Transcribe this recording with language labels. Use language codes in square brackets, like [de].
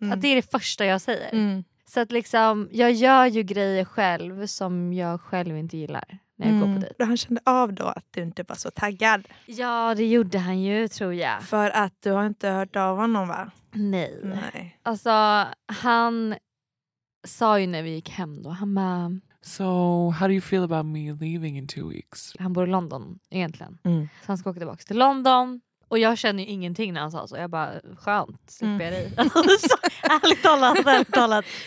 [sv] Mm. Att det är det första jag säger. Mm. Så att liksom, jag gör ju grejer själv som jag själv inte gillar när jag går på dejt. Han kände av då att du inte var så taggad. Ja, det gjorde han ju, tror jag. För att du har inte hört av honom, va? Nej. Nej. Alltså, han sa ju när vi gick hem då, han bara... [en] So, how do you feel about me leaving in 2 weeks? [sv] Han bor i London, egentligen. Mm. Så han ska åka tillbaka till London. Och jag känner ju ingenting när han sa så. Jag bara, skönt, slipper jag dig. Ärligt talat, ärligt talat.